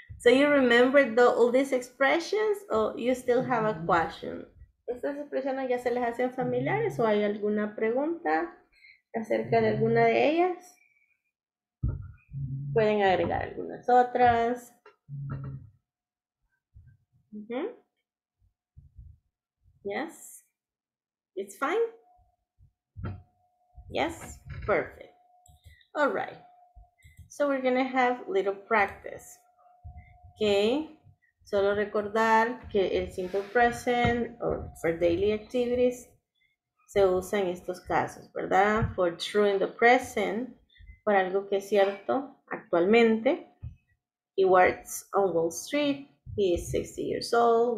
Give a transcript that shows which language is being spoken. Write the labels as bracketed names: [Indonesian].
[English] So you remember all these expressions, or you still have a question? [Spanish] ¿Estas expresiones ya se les hacen familiares o hay alguna pregunta acerca de alguna de ellas? Pueden agregar algunas otras. [English] Yes, it's fine. Yes, perfect. All right, so we're gonna have little practice. [Spanish] Okay, solo recordar que el [English] simple present or for daily activities [Spanish] se usa en estos casos, ¿verdad? [English] For true in the present, [Spanish] por algo que es cierto actualmente. [English] He works on Wall Street. He is 60 years old.